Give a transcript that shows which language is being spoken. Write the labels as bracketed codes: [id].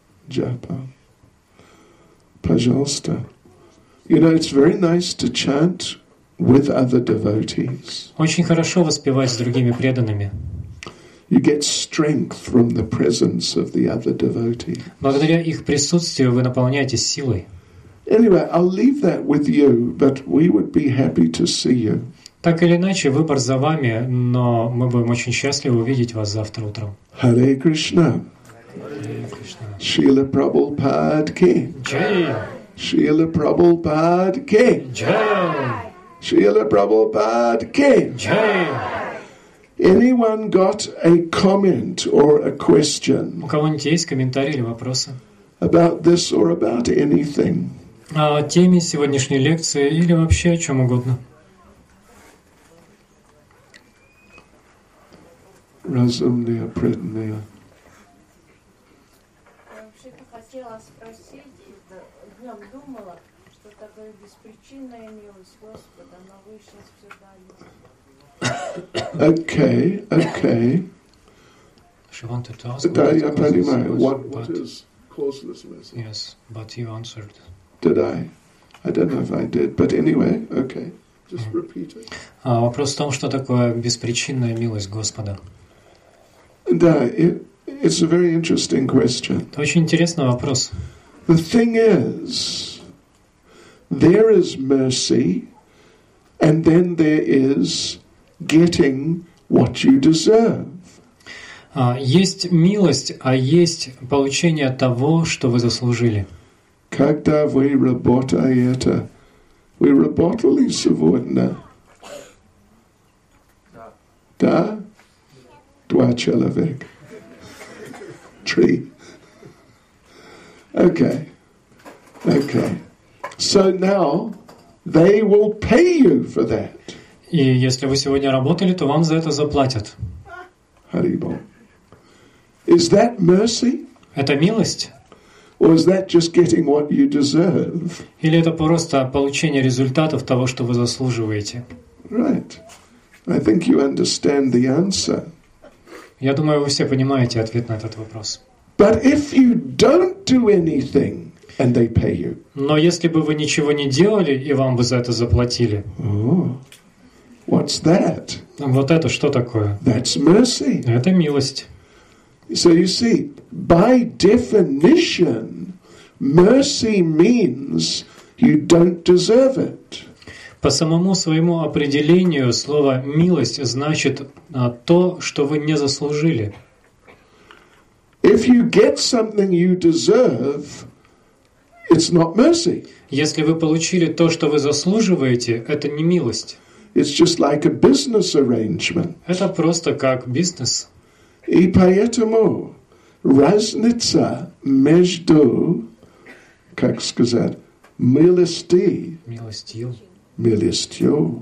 [ru] Джапа. Пожалуйста. [en] You know, it's very nice to chant with other devotees. [ru] Очень хорошо воспевать с другими преданными. [en] You get strength from the presence of the other devotees. [ru] Благодаря их присутствию вы наполняетесь силой. [en] Anyway, I'll leave that with you, but we would be happy to see you. [ru] Так или иначе, выбор за вами, но мы будем очень счастливы увидеть вас завтра утром. [en] Hare Krishna. Srila Prabhupada ki. Jai. Srila Prabhupada ki. Jai. Srila Prabhupada ki. Jai. Anyone got a comment or a question? [ru] У кого-нибудь есть комментарий или вопросы? [en] About this or about anything? [ru] О теме сегодняшней лекции или вообще о чем угодно? Разумные, преданные. Я вообще-то хотела спросить, днем думала, что такое беспричинная милость Господа, но вы сейчас все дали. [en] Okay, okay. She wanted to ask what is causelessness? Yes, but you answered. Did I? I don't know if I did, but anyway, okay. Just repeat it. [ru] Вопрос в том, что такое беспричинная милость Господа. Да, [en] it's a very interesting question. [ru] Это очень интересный вопрос. [en] The thing is, there is mercy, and then there is getting what you deserve. [ru] Есть милость, а есть получение того, что вы заслужили. Когда вы работаете, вы работали сегодня? Да. Да? Два человека. Три. [en] Okay. Okay. So now they will pay you for that. [ru] И если вы сегодня работали, то вам за это заплатят. [en] Харибо. Is that mercy? [ru] Это милость? [en] Or is that just getting what you deserve? [ru] Или это просто получение результатов того, что вы заслуживаете? [en] Right. I think you understand the answer. [ru] Я думаю, вы все понимаете ответ на этот вопрос. [en] But if you don't do anything, and they pay you. [ru] Но если бы вы ничего не делали, и вам бы за это заплатили. [en] What's that? [ru] Вот это что такое? [en] That's mercy. [ru] Это милость. [en] So you see, by definition, mercy means you don't deserve it. [ru] По самому своему определению слово «милость» значит то, что вы не заслужили. [en] If you get something you deserve, it's not mercy. [ru] Если вы получили то, что вы заслуживаете, это не милость. [en] It's just like a business arrangement. [ru] Это просто как бизнес. И поэтому разница между, как сказать, милостью